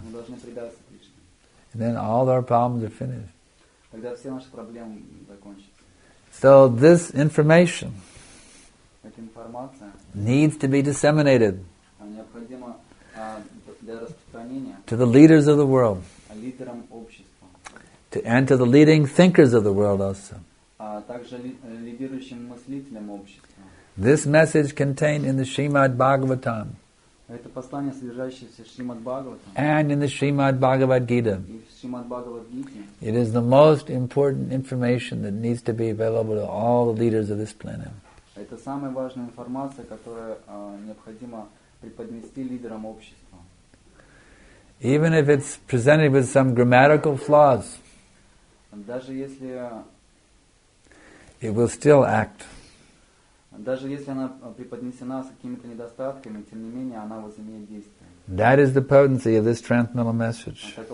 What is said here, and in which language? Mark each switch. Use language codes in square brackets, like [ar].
[ru] Мы должны предаться Кришне. [en] And then all our problems are finished. [ru] Тогда все наши проблемы закончатся. [en] So this information [ru] эта информация [en] needs to be disseminated [ru] необходимо для распространения [en] to the leaders of the world, [ru] лидерам общества, [en] and to the leading thinkers of the world also. [ru] А также лидирующим мыслителям общества. [en] This message contained in the Srimad Bhagavatam. [ru] Это послание, содержащееся в Srimad Bhagavatam. [en] And in the Srimad Bhagavad Gita. [ru] И в Srimad Bhagavad Gita. [en] It is the most important information that needs to be available to all the leaders of this planet. [ru] Это самая важная информация, которая необходимо преподнести лидерам общества. [en] Even if it's presented with some grammatical flaws. [ru] Даже если [en] it will still act. [ru] Даже если она преподнесена с какими-то недостатками, тем не менее, она возымеет действие. [en] That is the potency of this transcendental message.